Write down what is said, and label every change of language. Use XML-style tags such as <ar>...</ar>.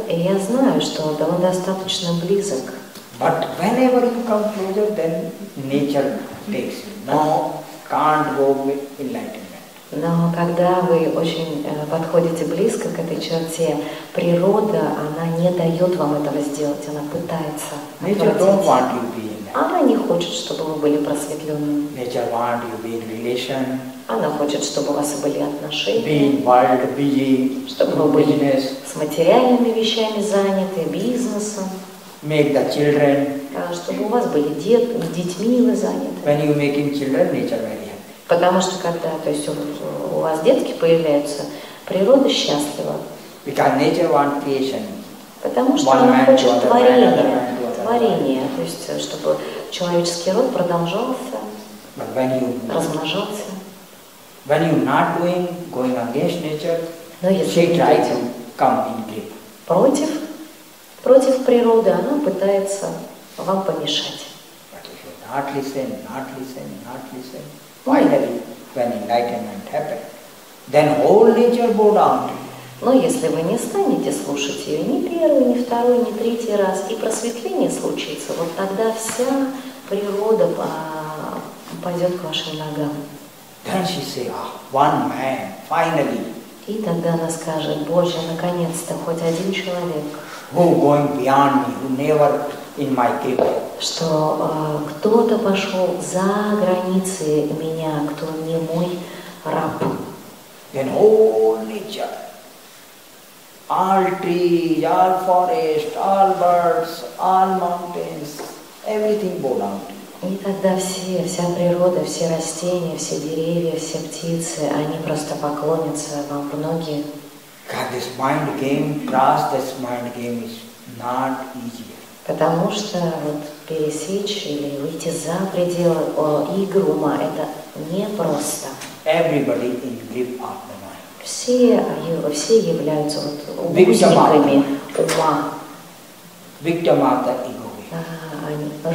<ru>И я знаю, что он достаточно близок.</ru> <en>But whenever you come closer, then nature takes you. No, can't go with enlightenment.</en> <ru>Но когда вы очень подходите близко к этой черте, природа, она не дает вам этого сделать, она пытается отвратить. Она не хочет, чтобы вы были просветленными.</ru> <en>Nature want you be in relation.</en> <ru>Она хочет, чтобы у вас были отношения.</ru> <en>Being wild, busy,</en> <ru>чтобы вы были с материальными вещами заняты, бизнесом.</ru> <en>Make the children.</en> <ru>Чтобы у вас были дети, с детьми вы заняты.</ru> <en>When you making children, nature very.</en> <ru>Потому что когда то есть у вас детки появляются, природа счастлива.</ru> <en>Because nature wants creation.</en> <ru>Потому что она хочет творение, то есть чтобы человеческий род продолжался, размножался.</ru> <en>When you not doing, going against nature, she tries to come in grip.</en> <ru>Против природы она пытается вам помешать.</ru> <en>But if you not listen, not listen, not listen. Finally, when enlightenment happens, then whole nature bow down.</en> <ru>Но если вы не станете слушать ее ни первый, ни второй, ни третий раз, и просветление случится, вот тогда вся природа пойдет к вашим ногам.</ru> <en>Then she say, one man, finally.</en> <ru>И тогда она скажет, Боже, наконец-то хоть один человек.</ru> <en>Who going beyond me, who never in my grip.</en> <ru>Что кто-то пошел за границы меня, кто не мой раб.</ru> <en>Then all nature, all trees, all forest, all birds, all mountains, everything bow down.</en> <ru>И тогда вся природа, все растения, все деревья, все птицы, они просто поклонятся вам в ноги.</ru> <en>God, this mind game, cross this mind game is not easy.</en> <ru>Потому что вот пересечь или выйти за пределы игры ума – это непросто.</ru> <en>Everybody in the grip of the mind.</en> <ru>Все являются вот узниками ума.</ru> <en>Victim of the ego.</en>